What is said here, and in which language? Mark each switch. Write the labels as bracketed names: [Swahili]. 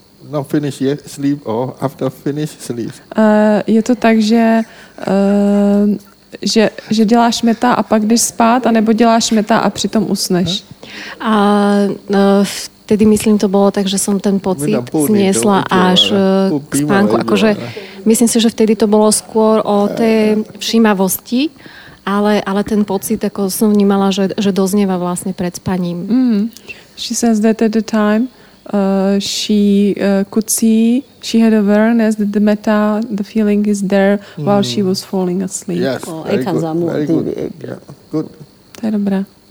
[English] Not finish yet, sleep or after finish sleep. [Czech] Je to tak, že děláš meta a pak jdeš spát, anebo děláš meta a přitom usneš. [Slovak] A vtedy myslím, to bylo tak, že jsem ten pocit sniesla až k spánku. Akože, myslím si, že vtedy to bylo skôr o té všímavosti, ale ten pocit jako jsem vnímala, že doznieva vlastně před spaním. [English] She says that at the time she had awareness that the metta, the feeling is there while she was falling asleep. Yes, oh, very good. Very good. Yeah. Good. [Czech] To je dobré.